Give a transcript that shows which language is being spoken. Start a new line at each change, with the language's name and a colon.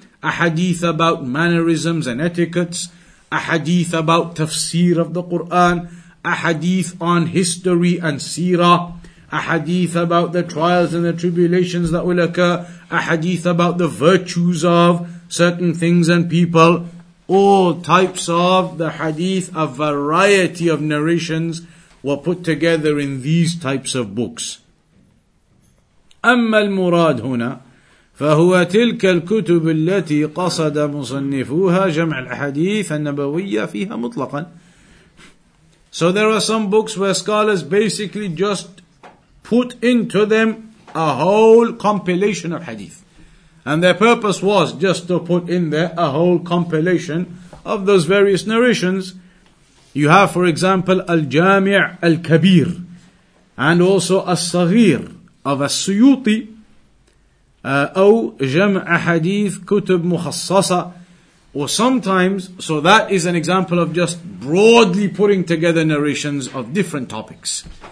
English: a hadith about mannerisms and etiquettes, a hadith about tafsir of the Quran, a hadith on history and seerah, a hadith about the trials and the tribulations that will occur, a hadith about the virtues of certain things and people, all types of the hadith, a variety of narrations were put together in these types of books.
Arabic: أما المراد هنا فهو تلك الكتب التي قصد مصنفوها جمع الأحاديث النبوية فيها مطلقا.
English: So there are some books where scholars basically just put into them a whole compilation of hadith. And their purpose was just to put in there a whole compilation of those various narrations. You have, for example, Al-Jami' Al-Kabir, and also Al-Saghir of Al-Suyuti,
Arabic: أو جمع حديث كتب مخصصة,
English: or sometimes, so that is an example of just broadly putting together narrations of different topics.